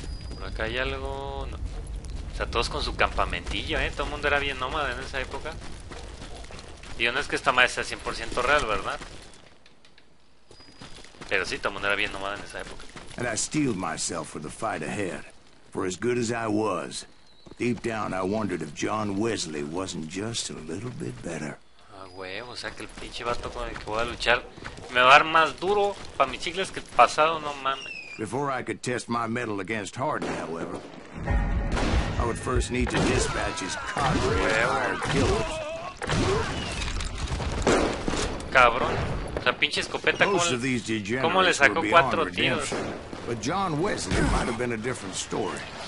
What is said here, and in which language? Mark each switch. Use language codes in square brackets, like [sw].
[es] Por acá hay algo. No. O sea, todos con su campamentillo, ¿eh? Todo el mundo era bien nómada en esa época. Y no es que esta madre sea 100% real, ¿verdad? Pero sí, todo el mundo era bien nomada en esa época. [en] And I steeled myself for the fight ahead. For as good as I was, deep down I wondered if John Wesley wasn't just a little bit better. [es] Ah, güey, o sea que el pinche vato con el que voy a luchar me va a dar más duro para mis chicles que el pasado, no mames. [en] Before I could test my mettle against Harden, however, I would first need to dispatch his cadre of hired killers. [es] Cabrón, o sea, pinche escopeta, ¿cómo le sacó 4 tiros? [en] But John Wesley might have been a different story.